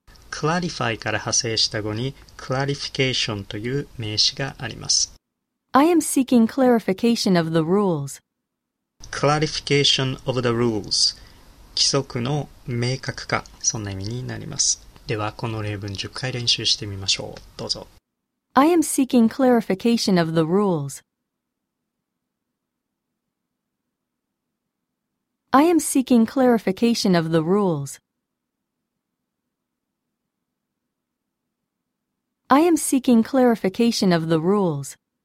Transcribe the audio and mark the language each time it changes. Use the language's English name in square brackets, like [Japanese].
[Japanese] Clarify から派生した語に clarification という名詞があります。 [English] I am seeking clarification of the rules. Clarification of the rules. [Japanese] 規則の明確化、そんな意味になります。ではこの例文10回練習してみましょう。どうぞ。 [English] I am seeking clarification of the rules. I am seeking clarification of the rules. I am seeking clarification of the rules.